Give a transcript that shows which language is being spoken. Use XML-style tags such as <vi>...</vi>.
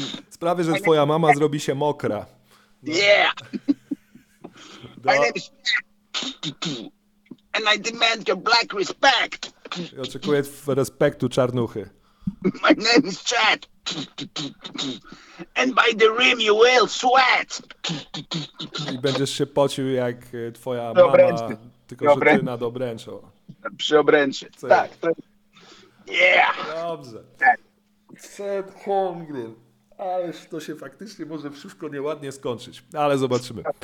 <pl>Sprawię, że twoja mama zrobi się mokra.</pl> <en>Yeah. My name is Chad. And I demand your black respect.</en> <pl>I oczekuję respektu czarnuchy.</pl> <en>My name is Chad. And by the rim you will sweat.</en> <pl>I będziesz się pocił jak twoja mama, dobręczny. Tylko że ty nad obręczą. Przy obręczy. Co tak. Jest? Yeah. Dobrze. Chad Holmgren. Ależ to się faktycznie może wszystko nieładnie skończyć, ale zobaczymy.</pl>